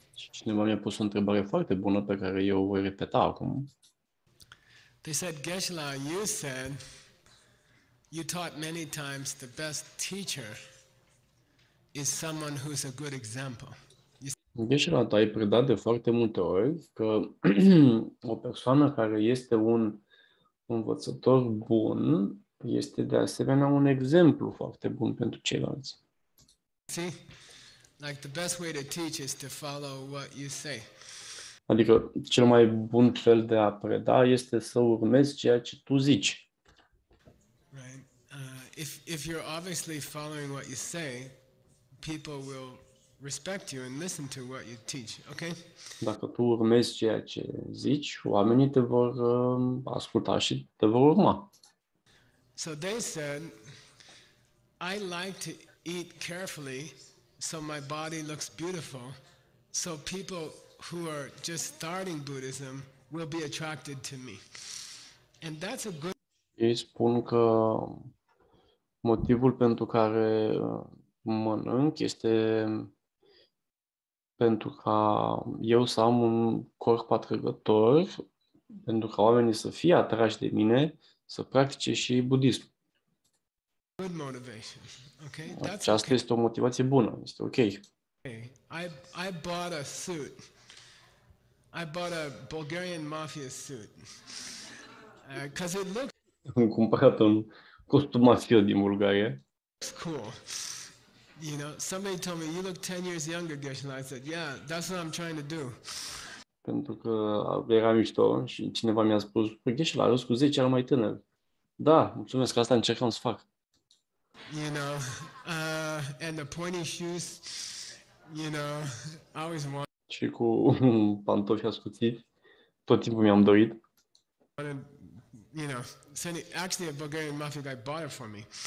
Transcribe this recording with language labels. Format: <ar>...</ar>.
<ro>Cineva mi-a pus o întrebare foarte bună pe care eu o voi repeta acum.</ro> <en>They said, Geshe-la, you said you taught many times the best teacher is someone who's a good example.</en> <ro>Geshe-la, tu ai predat de foarte multe ori că o persoană care este un învățător bun este de asemenea un exemplu foarte bun pentru ceilalți.</ro> <en>See? Like the best way to teach is to follow what you say.</en> <ro>Adică cel mai bun fel de a preda este să urmezi ceea ce tu zici.</ro> <en>Right. If you're obviously following what you say, people will respect you and listen to what you teach, okay?</en> <ro>Dacă tu urmezi ceea ce zici, oamenii te vor asculta și te vor urma.</ro> <en>So they said, I like to eat carefully so my body looks beautiful, so people who are just starting Buddhism will be attracted to me. And that's a good.</en> <ro>Ei spun că motivul pentru care mănânc este pentru ca eu să am un corp atrăgător, pentru ca oamenii să fie atrași de mine, să practice și budism.</ro> <en>Good motivation. Okay? That's</en> <ro>Aceasta</ro> <en>okay.</en> <ro>Este o motivație bună, este ok.</ro> <en>Okay. I bought a suit. I bought a Bulgarian mafia suit. Cuz it looks.</en> <ro>Am cumpărat un costum mafia din Bulgaria.</ro> <en>Cool. You know, somebody told me you look 10 years younger, Geshe-la. I said, yeah, that's what I'm trying to do.</en> <ro>Pentru că era mișto și cineva mi-a spus, Geshe-la, arăți cu 10 ani mai tânăr. Da, mulțumesc, asta încercam să fac.</ro> <en>You know, and the pointy shoes, you know, I always wanted.</en> <ro>Și cu pantofi ascuțiți, tot timpul mi-am dorit.</ro> <en>And, you know, so actually a Bulgarian mafia guy bought it for me.</en>